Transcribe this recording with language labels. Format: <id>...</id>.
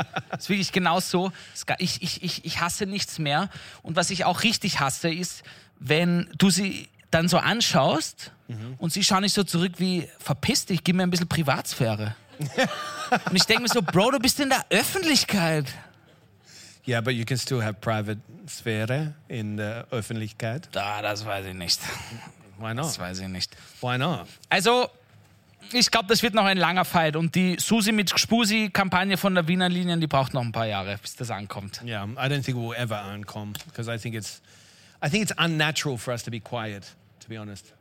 <de>Das ist wirklich genau so. Ich hasse nichts mehr. Und was ich auch richtig hasse, ist, wenn du sie dann so anschaust und sie schauen nicht so zurück wie, verpiss dich, gib mir ein bisschen Privatsphäre. Und ich denke mir so, Bro, du bist in der Öffentlichkeit.</de> <en>Yeah, but you can still have private sphere in the Öffentlichkeit.</en> <de>Da, das weiß ich nicht.</de> <en>Why not?</en> <de>Das weiß ich nicht.</de> <en>Why not?</en> <de>Also, ich glaube, das wird noch ein langer Fight. Und die Susi mit Spusi-Kampagne von der Wiener Linien, die braucht noch ein paar Jahre, bis das ankommt.</de> <en>Yeah, I don't think it will ever ankommen. Because I think it's unnatural for us to be quiet, to be honest.</en>